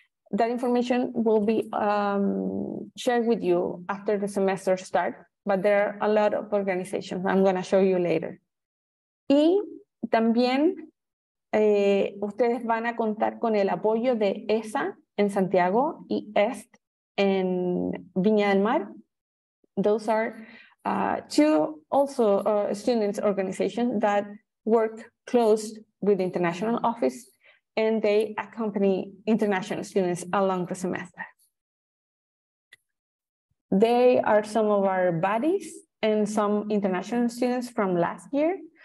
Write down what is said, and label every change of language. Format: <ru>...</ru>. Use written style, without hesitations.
<en>That information will be shared with you after the semester starts, but there are a lot of organizations I'm going to show you later.</en> <es>Y también ustedes van a contar con el apoyo de ESA en Santiago y EST en Viña del Mar.</es> <en>Those are two also students' organizations that work close with the international office and they accompany international students along the semester. They are some of our buddies and some international students from last year.</en>